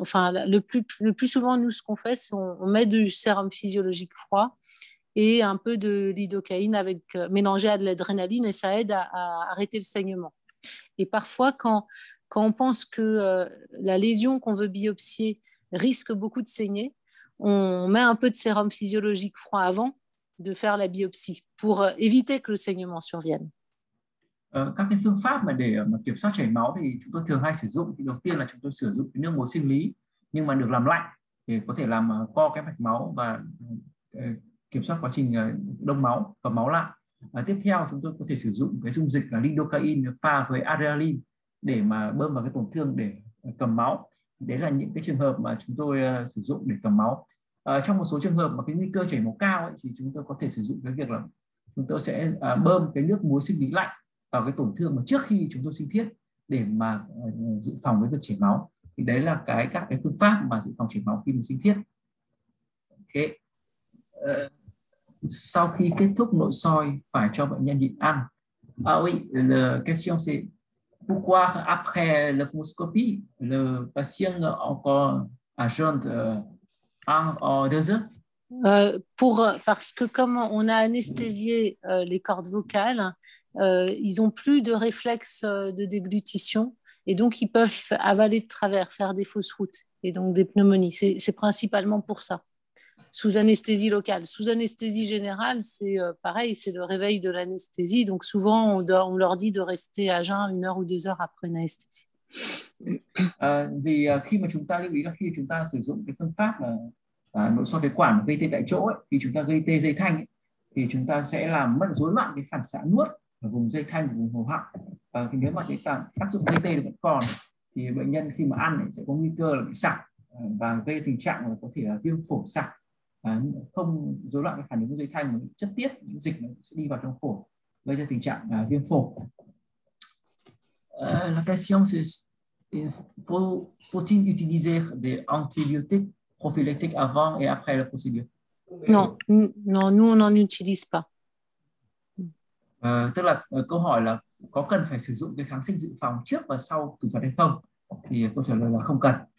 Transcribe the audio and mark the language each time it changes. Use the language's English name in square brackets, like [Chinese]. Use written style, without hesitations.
[French] Enfin, le plus souvent, nous, ce qu'on fait, c'est on met du sérum physiologique froid et un peu de lidocaïne mélangée à de l'adrénaline, et ça aide à arrêter le saignement. Et parfois, quand on pense que la lésion qu'on veut biopsier risque beaucoup de saigner, on met un peu de sérum physiologique froid avant de faire la biopsie pour éviter que le saignement survienne. [Vietnamese] Các cái phương pháp mà để mà kiểm soát chảy máu thì chúng tôi thường hay sử dụng, thì đầu tiên là chúng tôi sử dụng nước muối sinh lý nhưng mà được làm lạnh để có thể làm co cái mạch máu và kiểm soát quá trình đông máu và máu lại. Tiếp theo chúng tôi có thể sử dụng cái dung dịch là lidocaine pha với adrenaline để mà bơm vào cái tổn thương để cầm máu. Đấy là những cái trường hợp mà chúng tôi sử dụng để cầm máu. Trong một số trường hợp mà cái nguy cơ chảy máu cao ấy, thì chúng tôi có thể sử dụng cái việc là chúng tôi sẽ bơm cái nước muối sinh lý lạnh vào cái tổn thương mà trước khi chúng tôi sinh thiết để mà dự phòng với việc chảy máu. Thì đấy là cái các cái phương pháp mà dự phòng chảy máu khi mình sinh thiết. Okay. Sau khi kết thúc nội soi phải cho bệnh nhân nhịn ăn. [French] Ah oui, la question c'est pourquoi après la bronchoscopie le patient encore à jeûne 1 ou 2 heures? Parce que comme on a anesthésié les cordes vocales, ils ont plus de réflexes de déglutition et donc ils peuvent avaler de travers, faire des fausses routes et donc des pneumonies. C'est principalement pour ça. Sous anesthésie locale, sous anesthésie générale, c'est pareil, c'est le réveil de l'anesthésie. Donc souvent, on leur dit de rester à jeun 1 ou 2 heures après une anesthésie. [Vietnamese] Vì khi mà chúng ta lưu ý là khi chúng ta sử dụng cái phương pháp nội soi phế quản gây tê tại chỗ ấy, thì chúng ta gây tê dây thanh ấy, thì chúng ta sẽ làm mất rối loạn cái phản xạ nuốt ở vùng dây thanh, vùng hầu họng. Thì nếu mà cái tác dụng gây tê vẫn còn thì bệnh nhân khi mà ăn ấy, sẽ có nguy cơ là bị sặc và gây tình trạng là có thể là viêm phổi sặc, không rối loạn cái phản ứng dây thanh mà chất tiết những dịch nó sẽ đi vào trong phổi gây ra tình trạng viêm phổi. [French] La question c'est faut-il utiliser des antibiotiques prophylactiques avant et après la procédure? Non, nous on n'en utilise pas. [Vietnamese] Tức là câu hỏi là có cần phải sử dụng cái kháng sinh dự phòng trước và sau thủ thuật hay không? Thì câu trả lời là không cần.